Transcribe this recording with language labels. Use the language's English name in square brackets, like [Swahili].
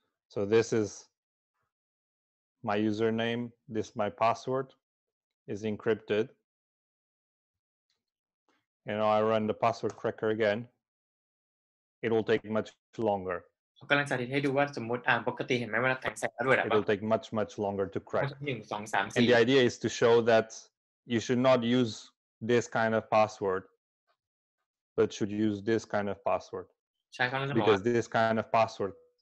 [English] so this is my username, this my password is encrypted. And I run the password cracker again. It will take much longer. [Thai] เขากำลังสาธิตให้ดูว่าสมมติปกติเห็นไหมว่าแทงแสงด้วยอะ [English] It will take much much longer to crack. 1, 2, 3, 4. And the idea is to show that you should not use this kind of password, but should use this kind of password. [Thai] ใช่เขาเลยบอก [English] Because this kind of password.